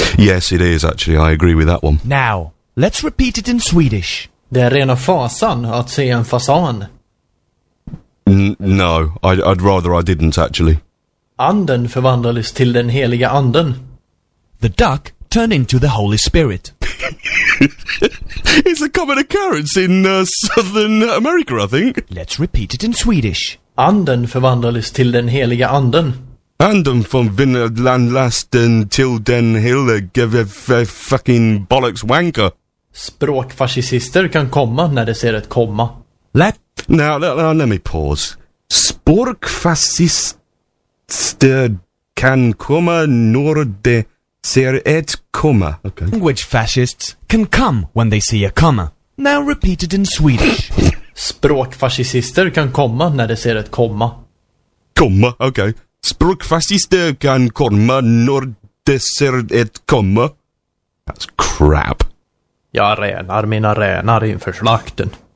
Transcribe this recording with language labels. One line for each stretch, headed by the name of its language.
English: Yes, it is actually. I agree with that one. Now, let's repeat it in Swedish.
Swedish: Det är rena fasan att se en fasan.
English: No, I'd rather I didn't actually.
Swedish: Anden förvandlades till den heliga anden.
English: The duck turned into the Holy Spirit. It's a common occurrence in Southern America, I think. Let's repeat it in Swedish.
Swedish: Anden förvandlades till den heliga anden. Anden förvandlades till den heliga
English: fucking bollocks wanker.
Swedish: Språkfascister kan komma när de ser ett komma.
English: Let me pause. Språkfascist.
Swedish: stöd kan komma nor de ser ett komma.
English: Okay. Language fascists can come when they see a comma. Now repeat it in Swedish.
Swedish: Språkfascister kan komma när de ser ett komma. Komma, okej. Okay. Språkfascister kan komma när de ser ett komma.
English: That's crap.
Swedish: Jag renar mina renar inför slakten.